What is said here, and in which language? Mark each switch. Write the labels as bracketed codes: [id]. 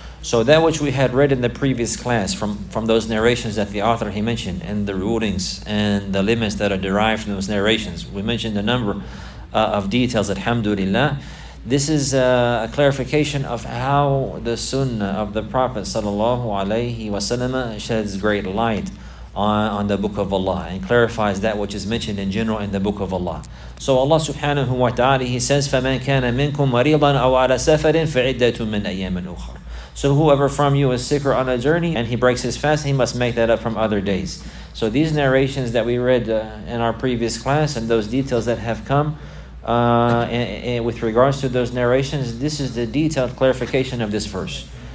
[en] So that which we had read in the previous class from those narrations that the author, he mentioned, and the rulings and the limits that are derived from those narrations, we mentioned a number of details, alhamdulillah. This is a clarification of how the Sunnah of the Prophet sallallahu alaihi wasallam sheds great light on the Book of Allah and clarifies that which is mentioned in general in the Book of Allah. So Allah subhanahu wa ta'ala, He says, [ar] فَمَنْ كَانَ مِنْكُمْ مَرِيضًا أَوْ عَلَى سَفَرٍ فَعِدَّةٌ مِّنْ أَيَّامٍ أُخَرٍ. [en] So whoever from you is sick or on a journey and he breaks his fast, he must make that up from other days. So these narrations that we read in our previous class and those details that have come and with regards to those narrations, this is the detailed clarification of this verse.